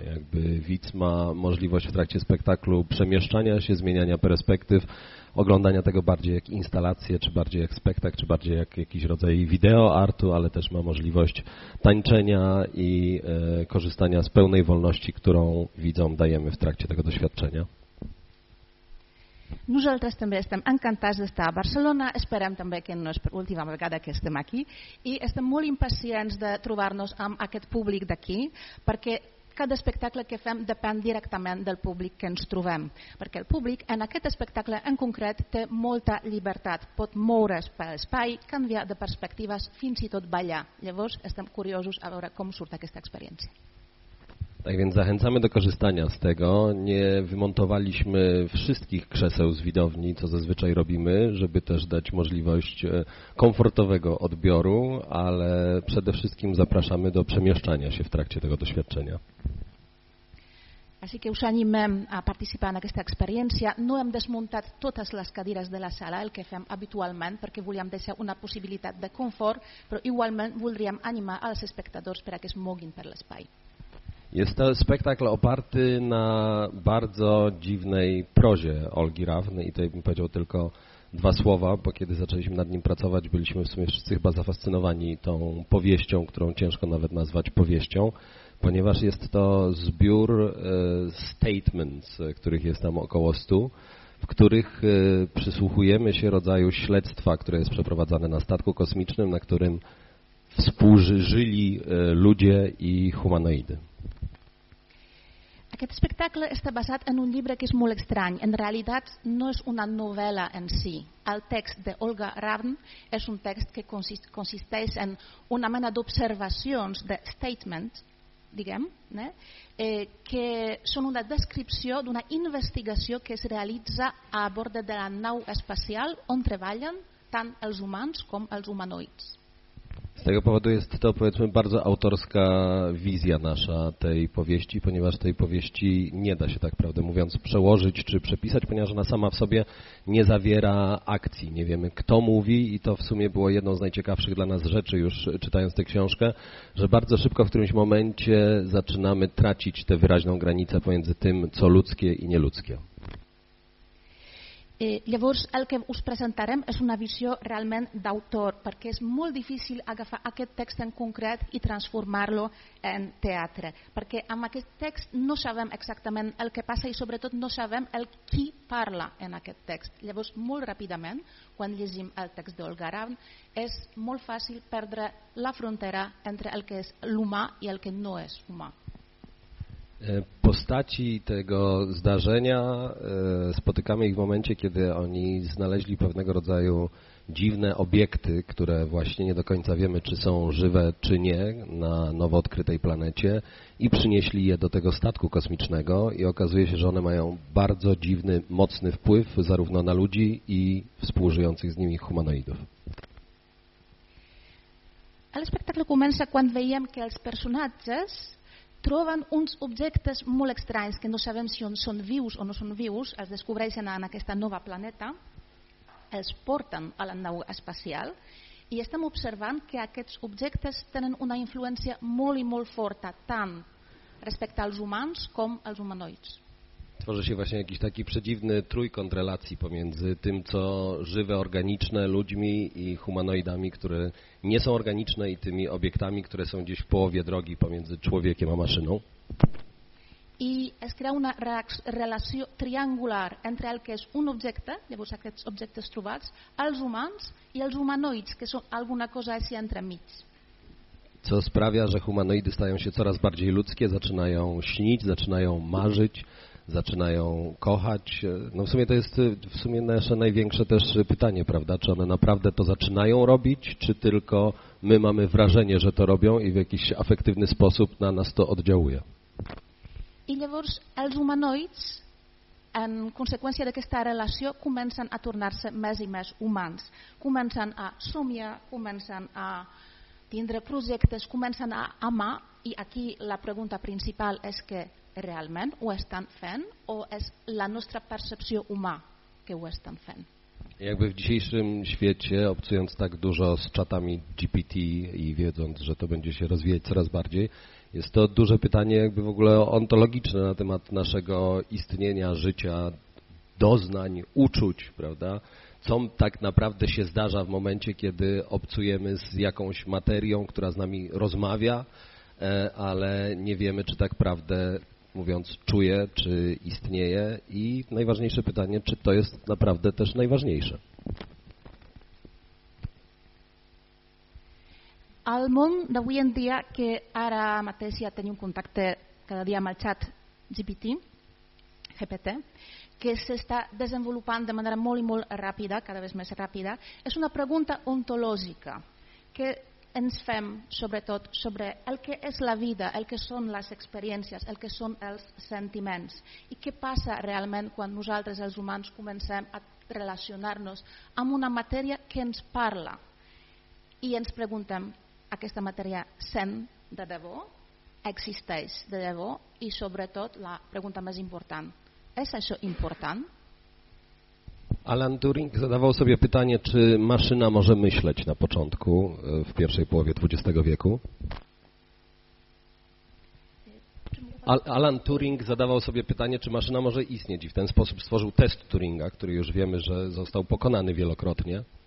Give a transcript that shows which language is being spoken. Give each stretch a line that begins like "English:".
Polish: Jakby widz ma możliwość w trakcie spektaklu przemieszczania się, zmieniania perspektyw, oglądania tego bardziej jak instalację, czy bardziej jak spektakl, czy bardziej jak jakiś rodzaj wideo artu, ale też ma możliwość tańczenia i korzystania z pełnej wolności, którą widzom dajemy w trakcie tego doświadczenia.
Catalan: Nosaltres també estem encantats d'estar a Barcelona, esperem també que no és per última vegada que estem aquí, i estem molt impacients de trobar-nos amb aquest públic d'aquí, perquè cada espectacle que fem depèn directament del públic que ens trobem, perquè el públic en aquest espectacle en concret té molta llibertat, pot moure's per l'espai, canviar de perspectives, fins i tot ballar. Llavors estem curiosos a veure com surt aquesta experiència.
Polish: Tak więc zachęcamy do korzystania z tego. Nie wymontowaliśmy wszystkich krzeseł z widowni, co zazwyczaj robimy, żeby też dać możliwość komfortowego odbioru, ale przede wszystkim zapraszamy do przemieszczania się w trakcie tego doświadczenia.
Catalan: Así que us animem a participar en aquesta experiència. No hem desmuntat totes les cadires de la sala, el que fem habitualment, perquè volíem deixar una possibilitat de confort, però igualment voldríem animar als espectadors perquè es moguin per l'espai.
Polish: Jest to spektakl oparty na bardzo dziwnej prozie Olgi Raven i tutaj bym powiedział tylko dwa słowa, bo kiedy zaczęliśmy nad nim pracować, byliśmy w sumie wszyscy chyba zafascynowani tą powieścią, którą ciężko nawet nazwać powieścią, ponieważ jest to zbiór statements, których jest tam około 100, w których przysłuchujemy się rodzaju śledztwa, które jest przeprowadzane na statku kosmicznym, na którym współżyli ludzie i humanoidy.
Catalan: Aquest espectacle està basat en un llibre que és molt estrany. En realitat no és una novel·la en si. El text d'Olga Ravn és un text que consisteix en una mena d'observacions, de statements, diguem, que són una descripció d'una investigació que es realitza a bord de la nau espacial on treballen tant els humans com els humanoids.
Polish: Z tego powodu jest to, powiedzmy, bardzo autorska wizja nasza tej powieści, ponieważ tej powieści nie da się, tak prawdę mówiąc, przełożyć czy przepisać, ponieważ ona sama w sobie nie zawiera akcji. Nie wiemy, kto mówi, i to w sumie było jedną z najciekawszych dla nas rzeczy już czytając tę książkę, że bardzo szybko w którymś momencie zaczynamy tracić tę wyraźną granicę pomiędzy tym, co ludzkie i nieludzkie.
Catalan: Llavors, el que us presentarem és una visió realment d'autor, perquè és molt difícil agafar aquest text en concret i transformar-lo en teatre, perquè amb aquest text no sabem exactament el que passa i sobretot no sabem el qui parla en aquest text. Llavors, molt ràpidament, quan llegim el text d'Olga Ravn, és molt fàcil perdre la frontera entre el que és l'humà i el que no és humà.
Polish: Postaci tego zdarzenia spotykamy ich w momencie, kiedy oni znaleźli pewnego rodzaju dziwne obiekty, które właśnie nie do końca wiemy, czy są żywe, czy nie, na nowo odkrytej planecie, i przynieśli je do tego statku kosmicznego, i okazuje się, że one mają bardzo dziwny, mocny wpływ zarówno na ludzi i współżyjących z nimi humanoidów.
Catalan: Ale spektakl comença quan veiem que els personatges troben uns objectes molt estranys que no sabem si són vius o no són vius, els descobreixen en aquesta nova planeta, els porten a la nau espacial i estem observant que aquests objectes tenen una influència molt i molt forta tant respecte als humans com als humanoids.
Polish: Tworzy się właśnie jakiś taki przedziwny trójkąt relacji pomiędzy tym, co żywe, organiczne, ludźmi i humanoidami, które nie są organiczne, i tymi obiektami, które są gdzieś w połowie drogi pomiędzy człowiekiem a maszyną.
Catalan: I es crea una relació triangular entre el que és un objecte, llavors aquests objectes trobats, els humans i els humanoids, que són alguna cosa així entremig.
Polish: Co sprawia, że humanoidy stają się coraz bardziej ludzkie, zaczynają śnić, zaczynają marzyć, zaczynają kochać. No w sumie to jest w sumie nasze największe też pytanie, prawda? Czy one naprawdę to zaczynają robić, czy tylko my mamy wrażenie, że to robią i w jakiś afektywny sposób na nas to oddziałuje?
Catalan: I llavors els humanoids, en conseqüència d'aquesta relació, comencen a tornar-se més i més humans. Comencen a somiar, comencen a tindre projectes, comencen a amar, i aquí la pregunta principal és que realment ho estan fent o és la nostra percepció humà que ho estan fent?
Polish: Jakby w dzisiejszym świecie, obcując tak dużo z czatami GPT i wiedząc, że to będzie się rozwijać coraz bardziej, jest to duże pytanie jakby w ogóle ontologiczne na temat naszego istnienia, życia, doznań, uczuć, prawda? Co tak naprawdę się zdarza w momencie, kiedy obcujemy z jakąś materią, która z nami rozmawia, ale nie wiemy, czy tak naprawdę, mówiąc, czuje, czy istnieje, i najważniejsze pytanie, czy to jest naprawdę też najważniejsze.
Catalan: El món d'avui en dia, que ara mateix ja tenim contacte cada dia amb el chat GPT, que s'està desenvolupant de manera molt i molt ràpida, cada vegada més ràpida, és una pregunta ontològica que ens fem sobretot sobre el que és la vida, el que són les experiències, el que són els sentiments, i què passa realment quan nosaltres els humans comencem a relacionar-nos amb una matèria que ens parla i ens preguntem: aquesta matèria sent de debò? Existeix de debò? I sobretot la pregunta més important: és això important?
Polish: Alan Turing zadawał sobie pytanie, czy maszyna może myśleć na początku, w pierwszej połowie XX wieku. Alan Turing zadawał sobie pytanie, czy maszyna może istnieć, i w ten sposób stworzył test Turinga, który już wiemy, że został pokonany wielokrotnie.